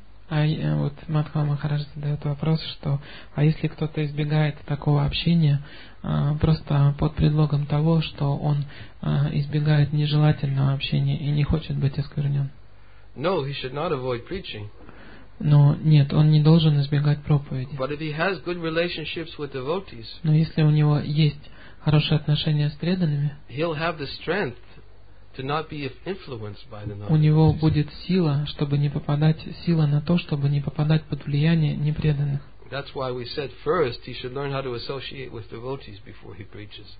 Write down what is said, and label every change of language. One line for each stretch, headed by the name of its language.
Russian: Вот Мадхва Махарадж задает вопрос, что а если кто-то избегает такого общения просто под предлогом того, что он избегает нежелательного общения и не хочет быть осквернен?
English: No, he should not avoid preaching.
Russian: Но нет, он не должен избегать проповеди.
English: But if he has good relationships with devotees,
Russian: но если у него есть хорошие отношения с преданными,
English: he'll have the strength to not be influenced by the
Russian: у него будет сила, чтобы не попадать, сила на то, чтобы не попадать под влияние непреданных.
English: That's why we said first he should learn how to associate with devotees before he preaches.